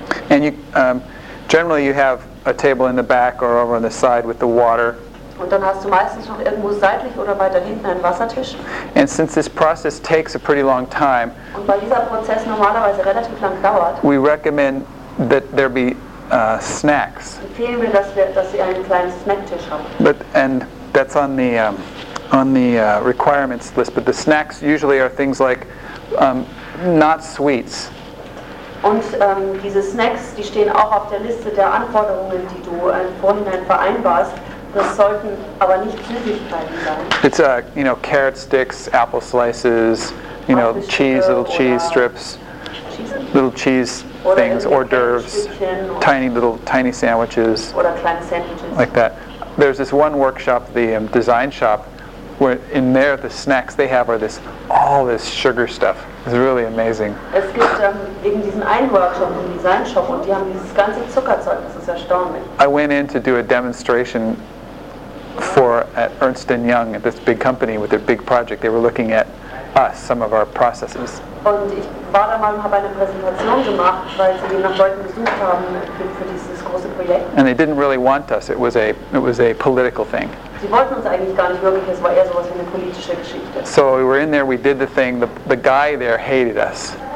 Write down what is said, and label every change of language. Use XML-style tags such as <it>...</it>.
<en>And you, generally you have a table in the back or over on the side with the water.</en> <de>Und dann hast du meistens noch irgendwo seitlich oder weiter hinten einen Wassertisch.</de> <en>And since this process takes a pretty long time,</en> <de>und weil dieser Prozess normalerweise relativ lang dauert,</de> <en>we recommend that there be snacks.</en> <de>Empfehlen wir, dass sie einen kleinen Snacktisch haben.</de> <en>But and that's on the requirements list. But the snacks usually are things like not sweets.</en> <de>Und diese Snacks, die stehen auch auf der Liste der Anforderungen, die du vorhin vereinbarst. Das sollten aber nicht Süßigkeiten sein.</de> <en>It's carrot sticks, apple slices, cheese strips. Little cheese things, hors d'oeuvres, tiny sandwiches,</en> <de>oder kleine sandwiches,</de> <en>like that. There's this one workshop, the design shop, where in there the snacks they have are all this sugar stuff. It's really amazing.</en> <de>Es gibt eben diesen einen Workshop im Design Shop und die haben dieses ganze Zuckerzeug. Das ist erstaunlich.</de> <en>I went in to do a demonstration for at Ernst & Young, at this big company with their big project. They were looking at us, some of our processes.</en> <de>Und ich war da mal und habe eine Präsentation gemacht, weil sie nach Leuten gesucht haben für dieses große Projekt.</de> <en>And they didn't really want us. It was a political thing.</en> <de>Sie wollten uns eigentlich gar nicht wirklich. Es war eher sowas wie eine politische Geschichte.</de> <en>So we were in there. We did the thing. The guy there hated us.</en>